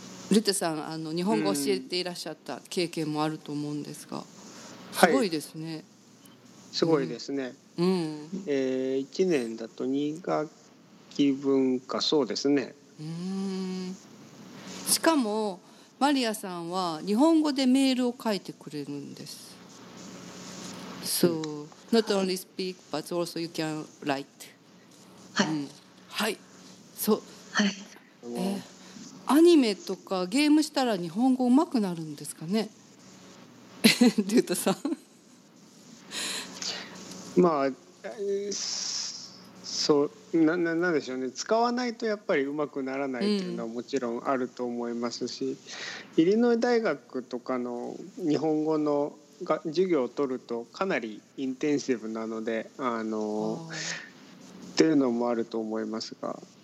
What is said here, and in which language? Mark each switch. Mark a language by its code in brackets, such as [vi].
[ja] リュータさん、日本語を教えていらっしゃった経験もあると思うんですが、すごいですね。はい、すごいですね。うん、 1年だと2学期分か。そうですね。うーん、しかもマリアさんは日本語でメールを書いてくれるんです。 [en] So not only speak but also you can write。 [ja] はい、うん、はい、そう、はい、アニメとかゲームしたら日本語うまくなるんですかね？リュータさん、まあ、そう、なんでしょうね、使わないとやっぱりうまくならないというのはもちろんあると思いますし、うん、イリノイ大学とかの日本語の授業を取るとかなりインテンシブなので、っていうのもあると思いますが、